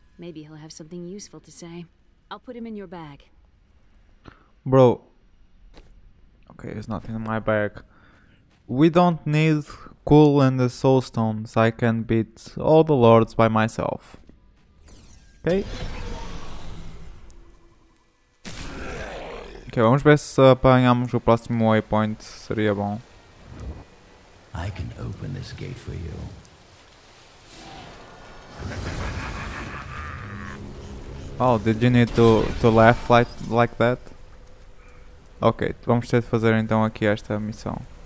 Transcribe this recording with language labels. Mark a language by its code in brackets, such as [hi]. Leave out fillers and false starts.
[en] Maybe he'll have something useful to say. I'll put him in your bag. Bro. Okay, there's nothing in my bag. We don't need Kulle and the Soulstones. I can beat all the lords by myself. Okay. [pt] Ok, vamos ver se apanhamos o próximo waypoint, seria bom. [en] I can open this gate for you. Oh, did you need to laugh like that? [pt] Ok, vamos ter de fazer então aqui esta missão.